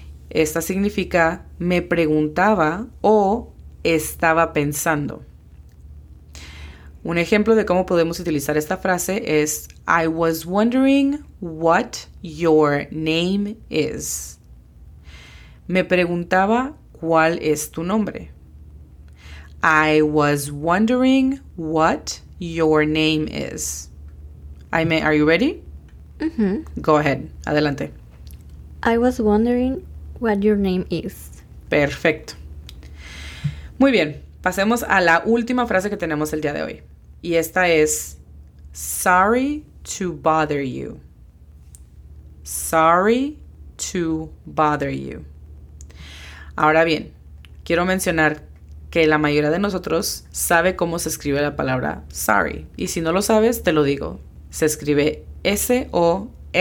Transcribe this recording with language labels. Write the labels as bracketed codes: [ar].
[es] Esta significa me preguntaba o estaba pensando. Un ejemplo de cómo podemos utilizar esta frase es [en] I was wondering what your name is. [es] Me preguntaba cuál es tu nombre. [en] I was wondering what your name is. Aime, are you ready? Mm-hmm. Go ahead. [es] Adelante. [en] I was wondering what your name is. [es] Perfecto. Muy bien. Pasemos a la última frase que tenemos el día de hoy. Y esta es, [en] sorry to bother you. Sorry to bother you. [es] Ahora bien, quiero mencionar que la mayoría de nosotros sabe cómo se escribe la palabra sorry. Y si no lo sabes, te lo digo. Se escribe S-O-R-R-Y.